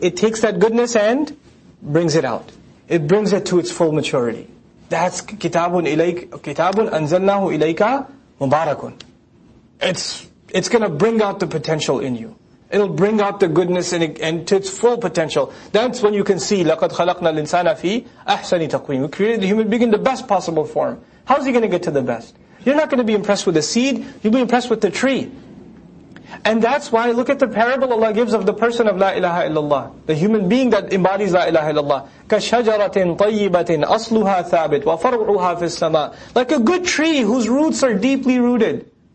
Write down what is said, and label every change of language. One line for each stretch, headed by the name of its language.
English: It takes that goodness and brings it out. It brings it to its full maturity. That's
Arabic: kitabun anzalnahu ilayka mubarakun.
English: It's going to bring out the potential in you. It'll bring out the goodness and to its full potential. That's when you can see
Arabic: لَقَدْ خَلَقْنَا الْإِنسَانَ فِي أَحْسَنِ تَقْوِيمٍ.
English: We created the human being in the best possible form. How's he going to get to the best? You're not going to be impressed with the seed. You'll be impressed with the tree. And that's why, look at the parable Allah gives of the person of La ilaha illallah. The human being that embodies La ilaha illallah.
Arabic: كَشَجَرَةٍ طَيِّبَةٍ أَصْلُهَا ثَابِتْ وَفَرْعُهَا فِي السَّمَاءِ
English: Like a good tree whose roots are deeply rooted.